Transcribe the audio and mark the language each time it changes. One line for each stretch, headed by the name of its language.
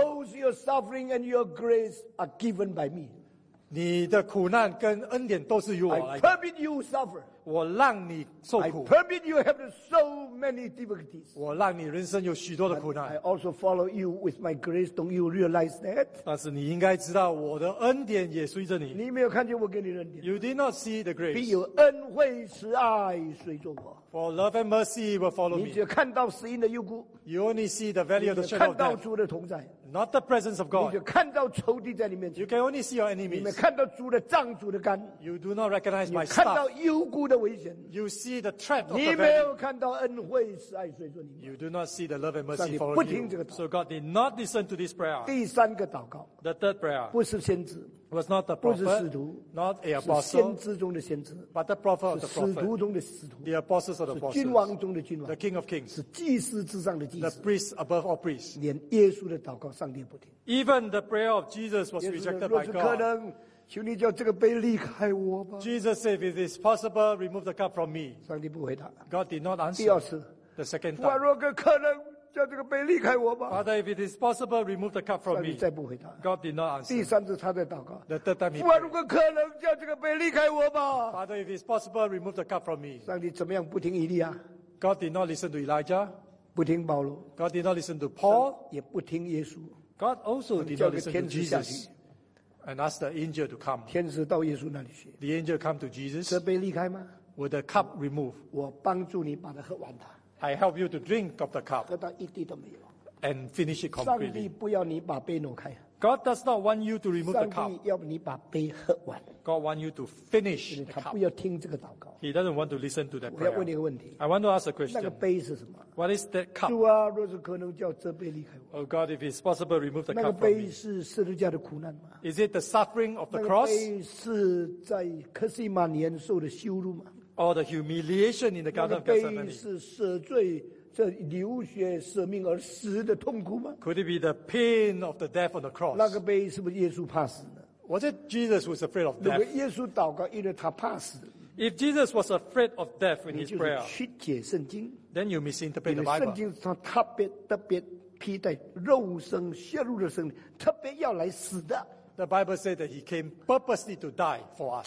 English: both your suffering and your grace are given by me.
Chinese: 你的苦难跟恩典都是由我来的。
English: I permit you suffer.
Chinese: 我让你受苦。
English: I permit you have so many difficulties.
Chinese: 我让你人生有许多的苦难。
English: I also follow you with my grace. Don't you realize that?
Chinese: 但是你应该知道我的恩典也随着你。你没有看见我给你的恩典。
English: You did not see the grace.
Chinese: 必有恩惠慈爱随着我。
English: For love and mercy will follow me.
Chinese: 你只有看到死荫的幽谷。
English: You only see the valley of the shadow of death.
Chinese: 看到主的同在。
English: Not the presence of God.
Chinese: 你只看到仇敌在你面前。
English: You can only see your enemies.
Chinese: 你没看到主的杖、主的竿。
English: You do not recognize my
Chinese: staff. 你看到幽谷的危险。
English: You see the trap of the valley.
Chinese: 你没有看到恩惠慈爱随着你。
English: You do not see the love and mercy following you.
Chinese: 上帝不听这个祷告。
English: So God did not listen to this prayer.
Chinese: 第三个祷告。
English: The third prayer.
Chinese: 不是先知。
English: Was not the prophet.
Chinese: 不是使徒。
English: Not an apostle.
Chinese: 是先知中的先知。
English: But the prophet of the prophet.
Chinese: 是使徒中的使徒。
English: The apostles of the apostles.
Chinese: 是君王中的君王。
English: The king of kings.
Chinese: 是祭司之上的祭司。
English: The priest above all priests.
Chinese: 连耶稣的祷告上帝不听。
English: Even the prayer of Jesus was rejected by God.
Chinese: 求你叫这个杯离开我吧。
English: Jesus said, "If it is possible, remove the cup from me."
Chinese: 上帝不回答。
English: God did not answer.
Chinese: 第二次
English: ，the second time.
Chinese: 若可能，叫这个杯离开我吧。
English: Father, if it is possible, remove the cup from me.
Chinese: 再不回答。
English: God did not answer.
Chinese: 第三次他在祷告。
English: The third time.
Chinese: 若可能，叫这个杯离开我吧。
English: Father, if it is possible, remove the cup from me.
Chinese: 上帝怎么样不听以利亚
English: ？God did not listen to Elijah.
Chinese: 不听保罗。
English: God did not listen to Paul.
Chinese: 也不听耶稣。
English: God also did not listen to Jesus. And ask the angel to come.
Chinese: 天使到耶稣那里去。
English: The angel come to Jesus.
Chinese: 这杯离开吗
English: ？Will the cup remove?
Chinese: 我帮助你把它喝完它。
English: I help you to drink of the cup.
Chinese: 喝到一滴都没有。
English: And finish it completely.
Chinese: 上帝不要你把杯挪开。
English: God does not want you to remove the cup.
Chinese: 上帝要你把杯喝完。
English: God want you to finish the cup.
Chinese: 他不要听这个祷告。
English: He doesn't want to listen to that prayer.
Chinese: 我要问你一个问题。
English: I want to ask a question.
Chinese: 那个杯是什么
English: ？What is that cup?
Chinese: 主啊，若是可能，叫这杯离开我。
English: Oh God, if it's possible, remove the cup from me.
Chinese: 那个杯是十字架的苦难吗
English: ？Is it the suffering of the cross?
Chinese: 那个杯是在克西马尼园受的羞辱吗
English: ？All the humiliation in the Garden of Gethsemane.
Chinese: 那个杯是赦罪。这流血舍命而死的痛苦吗
English: ？Could it be the pain of the death on the cross？
Chinese: 那个杯是不是耶稣怕死的
English: ？Was it Jesus was afraid of death？
Chinese: 如果耶稣祷告，因为他怕死。
English: If Jesus was afraid of death in his prayer，
Chinese: 曲解圣经
English: ，then you misinterpret the Bible。
Chinese: 圣经说他特别披戴肉身血肉的身体，特别要来死的。
English: The Bible said that he came purposely to die for us。